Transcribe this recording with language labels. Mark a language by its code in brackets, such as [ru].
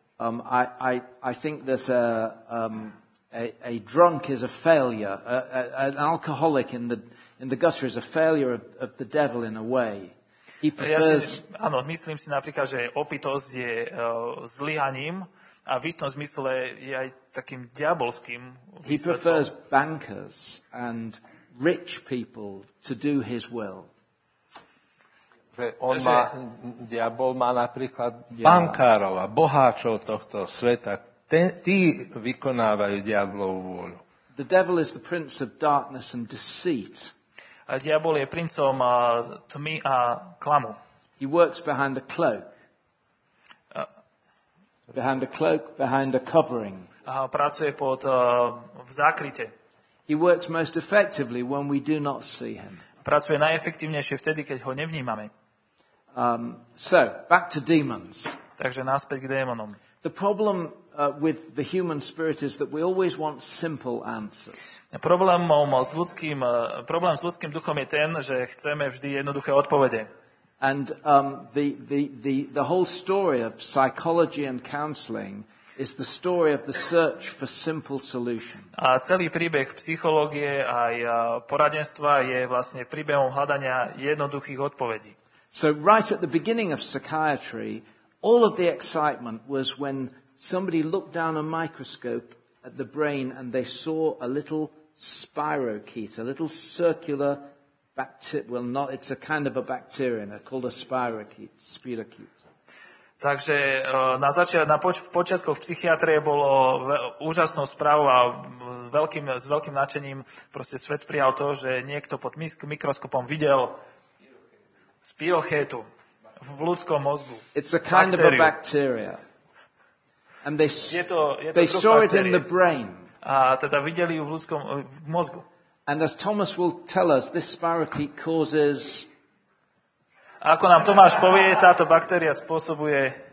[en] I think there's a drunk is a failure, an alcoholic in the gutter is a failure of the devil in a way. He prefers. [sk] Ja si, áno, myslím si napríklad, že opitosť je zlyhaním a v istom zmysle je aj takým diabolským výsledkom. [en] He prefers bankers and rich people to do his will. [sk] On má, diabol má napríklad bankárov a boháčov tohto sveta. Tí vykonávajú diablovú vôľu. [en] The devil is the prince of darkness and deceit. [sk] A diabol je princom tmy a klamu. [en] He works behind a cloak. Behind a cloak, behind a covering. [sk] Pracuje pod v zákryte. [en] He works most effectively when we do not see him. [sk] Pracuje najefektívnejšie vtedy, keď ho nevnímame. [en] So back to demons. [sk] Takže naspäť k démonom. [en] The problem with the human spirit is that we always want simple answers. [sk] Problém s ľudským duchom je ten, že chceme vždy jednoduché odpovede. [en] And the whole story of psychology and counseling is the story of the search for simple solution. [sk] A celý príbeh psychológie aj poradenstva je vlastne príbehom hľadania jednoduchých odpovedí. [en] So right at the beginning of psychiatry, all of the excitement was when somebody looked down a microscope at the brain and they saw a little spirochete, a little circular bacteria. Well, not, it's a kind of a bacteria, called a spirochete. [sk] Takže na počiatkoch psychiatrie bolo úžasnou správou a s veľkým nadšením proste svet prijal to, že niekto pod mikroskopom videl spirochetu v ľudskom mozgu. [en] It's a kind [sk] bakteriu. [en] Of a bacteria. And they they saw [sk] bakterie. [en] It in the brain. [sk] A teda videli ju v ľudskom v mozgu. [en] And as Thomas will tell us, this spirochete causes. [sk] Ako nám Tomáš povie, táto baktéria spôsobuje.